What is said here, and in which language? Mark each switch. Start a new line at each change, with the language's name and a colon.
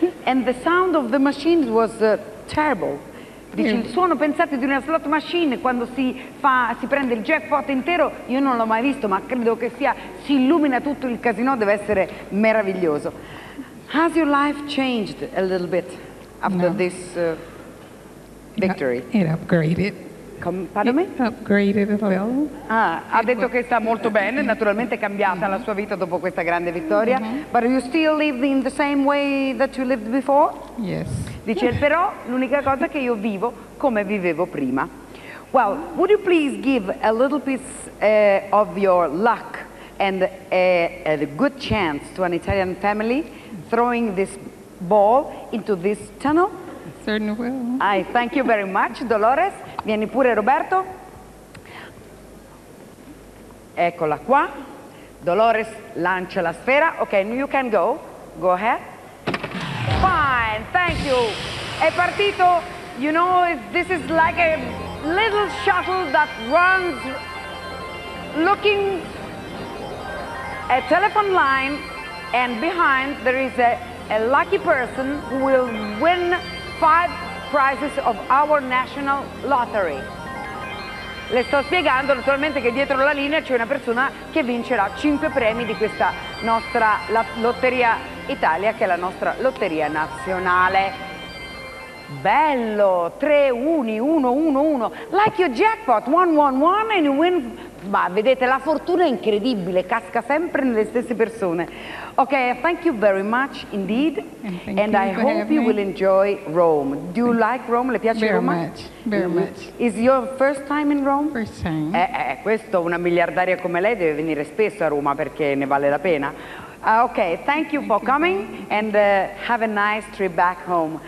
English: And the sound of the machine was terrible.
Italian: Dice, il suono, pensate, di una slot machine, quando si prende il jackpot intero, io non l'ho mai visto, ma credo che sia, si illumina tutto il casinò, deve essere meraviglioso.
English: Has your life changed a little bit after this victory? It upgraded. Pardon me? Upgraded a little.
Italian: Ha detto che sta molto bene, naturalmente è cambiata la sua vita dopo questa grande vittoria. Mm-hmm.
English: But you still live in the same way that you lived before? Yes.
Italian: Dice, però l'unica cosa è che io vivo come vivevo prima.
English: Well, would you please give a little piece of your luck and a good chance to an Italian family throwing this ball into this tunnel? Certainly will. I thank you very much, Dolores.
Italian: vieni pure Roberto. Eccola qua. Dolores lancia la sfera.
English: Ok, you can go. Go ahead. Fine, thank you.
Italian: È partito.
English: You know, this is like a little shuttle that runs looking a telephone line, and behind there is a lucky person who will win 5 prizes of our national lottery.
Italian: Le sto spiegando naturalmente che dietro la linea c'è una persona che vincerà 5 premi di questa nostra lotteria Italia, che è la nostra lotteria nazionale.
English: Bello, 3-1-1-1-1, like your jackpot, 1-1-1 and you win.
Italian: Ma vedete, la fortuna è incredibile, casca sempre nelle stesse persone.
English: Ok, thank you very much indeed, and I hope you will enjoy Rome. Do you like Rome?
Italian: Le piace
English: very
Italian: Roma?
English: Very much. Is your first time in Rome? First time.
Italian: Questo, una miliardaria come lei deve venire spesso a Roma perché ne vale la pena.
English: Ok, thank you for coming and have a nice trip back home.